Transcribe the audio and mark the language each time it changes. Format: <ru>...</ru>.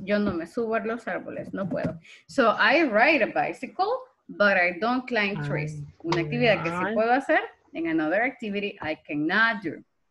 <es>Yo no me subo a los árboles, no puedo.</es> <en>So I ride a bicycle, but I don't climb trees.</en> <es>Una actividad que sí puedo hacer.</es> <en>In another activity, I cannot do.</en>